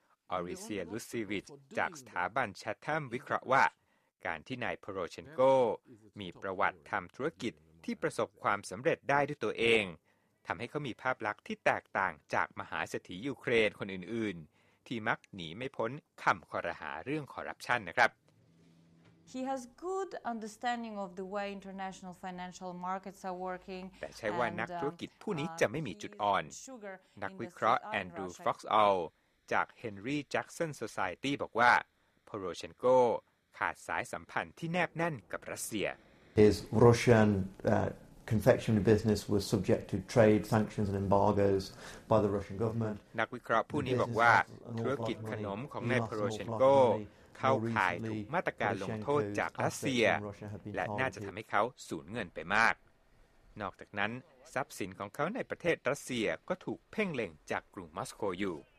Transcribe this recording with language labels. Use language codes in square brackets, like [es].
[th] ออริเซียลุซิวิชจากสถาบันแชทแฮมวิเคราะห์ว่าการที่นายโพโรเชนโกมีประวัติทำธุรกิจที่ประสบความสำเร็จได้ด้วยตัวเองทำให้เขามีภาพลักษณ์ที่แตกต่างจากมหาเศรษฐียูเครนคนอื่นๆที่มักหนีไม่พ้นคำครหาเรื่องคอร์รัปชันนะครับ [en] He has good understanding of the way international financial markets are working. [th] แต่ใช่ว่านักธุรกิจผู้นี้จะไม่มีจุดอ่อนนักวิเคราะห์แอนดรูฟ็อกซ์เอาจาก Henry Jackson Society บอกว่าโพโรเชนโกขาดสายสัมพันธ์ที่แนบแน่นกับรัสเซีย [en] His Russian confectionery business was subject to trade sanctions and embargoes by the Russian government. [th] นักวิเคราะห์ผู้นี้บอกว่าธุรกิจขนมของนายโพโรเชนโกเข้าขายถูกมาตรการลงโทษจากรัสเซียและน่าจะทำให้เขาสูญเงินไปมากนอกจากนั้นทรัพย์สินของเขาในประเทศรัสเซียก็ถูกเพ่งเล็งจากกรุงมอสโกอยู่